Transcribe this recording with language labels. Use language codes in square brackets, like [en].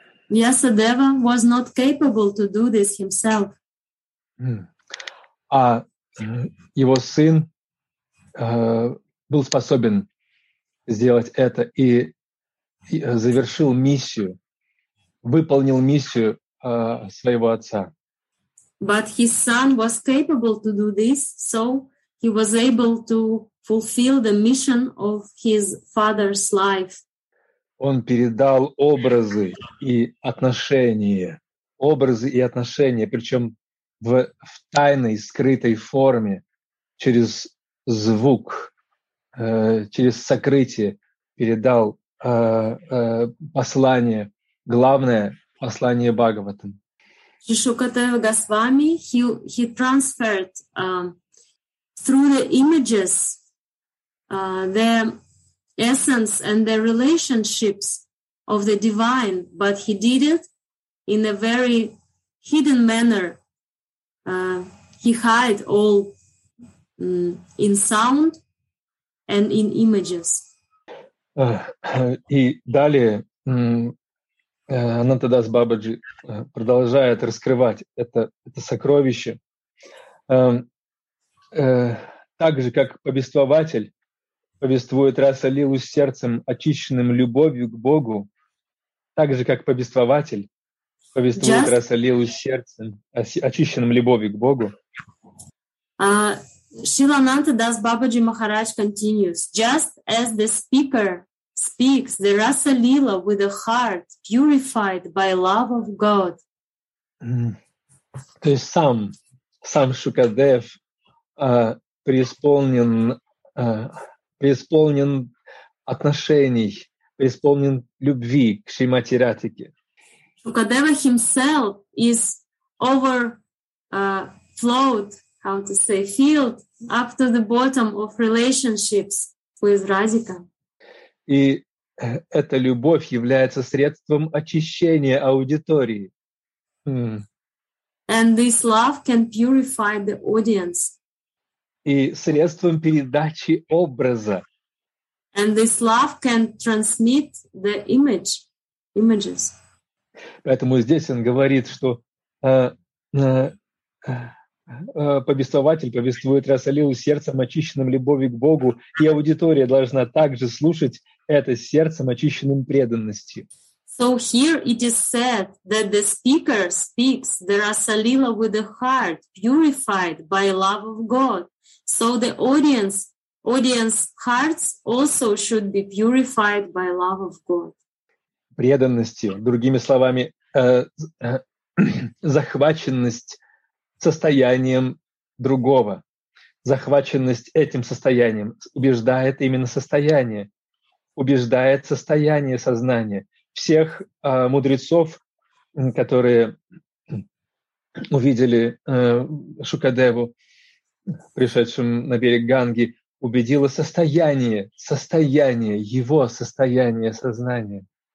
[en] Vyasadeva was not capable to do this himself. [ru] А его сын был способен сделать это и завершил миссию, выполнил миссию своего отца. [en] But his son was capable to do this, so he was able to fulfill the mission of his father's life. [ru] Он передал образы и отношения, причем в тайной, скрытой форме, через звук, через сокрытие передал послание, главное послание Бхагаватам. [en] Шукадева Госвами, he transferred through the images the essence and the relationships of the divine, but he did it in a very hidden manner. He hid all in sound and in images. [ru] И далее Анантадас Бабаджи продолжает раскрывать это сокровище. Так же, как повествователь повествует Расалилу с сердцем, очищенным любовью к Богу, так же, как повествователь повествует Расалилу с сердцем, очищенным любовью к Богу. [en] Шрила Анантадас Бабаджи Махарадж continues, just as the speaker speaks the Rasa Lila with a heart purified by love of God. [ru] То есть сам Шукадев преисполнен отношений, преисполнен любви к Шримати Радхике. [en] Шукадева himself is overflowed, filled up to the bottom of relationships with Radhika. [ru] И эта любовь является средством очищения аудитории. [en] And this love can purify the audience. [ru] И средством передачи образа. [en] And this love can transmit the images. [ru] Поэтому здесь он говорит, что повествователь повествует Расалилу сердцем, очищенным любовью к Богу, и аудитория должна также слушать это сердцем, очищенным преданностью. [en] So here it is said that the speaker speaks the Rasalila with a heart purified by love of God. So the audience hearts also should be purified by love of God. [ru] Преданностью, другими словами, захваченность состоянием другого. Захваченность этим состоянием убеждает именно состояние. Убеждает состояние сознания. Всех мудрецов, которые увидели Шукадеву, пришедшим на берег Ганги, убедило состояние, его состояние сознания.